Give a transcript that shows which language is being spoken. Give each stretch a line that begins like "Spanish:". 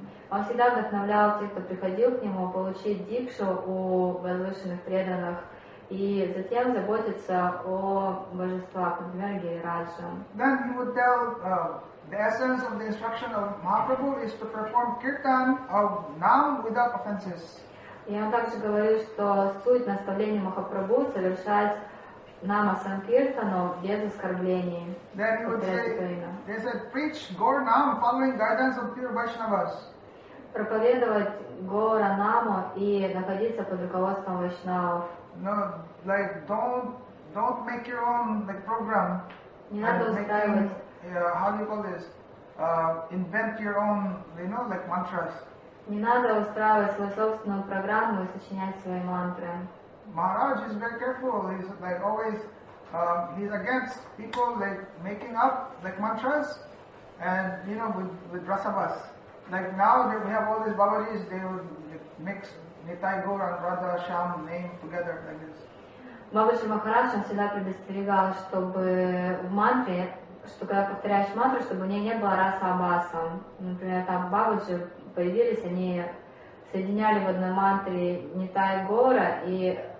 Russian: Он всегда вдохновлял тех, кто приходил к нему, получить дикшу у возвышенных преданных и затем заботиться о божествах, например, Гирираджа.
English: Then he would tell the essence of the instruction of Mahaprabhu is to perform kirtan of Nam without offenses.
Russian: И он также говорил, что суть наставления Махапрабху совершать Нама Санкиртану без оскорблений.
English: Then he would say, they said, preach Gaur Nam following guidance of pure Vaishnavas.
Russian: Проповедовать Гора Наму и находиться под руководством Вайшнавов.
English: No, like don't make your own like program.
Russian: Не надо устраивать.
English: Yeah, how do you call this? Invent your own, you know, like mantras.
Russian: Не надо устраивать свою собственную программу и сочинять свои мантры.
English: Maharaj is very careful. He's like always, he's against people like making up like mantras, and you know with rasavas. Like now that we have all these Babaji's, they would mix Nitai Gaur and Radha Sham name together like this.
Russian: Бабаджи Махарадж всегда предостерегал, чтобы в мантре, что когда повторяешь мантру, чтобы у нее не было расабаса. Например, там Бабаджи появились, они соединяли в одной мантре Нитай Гора и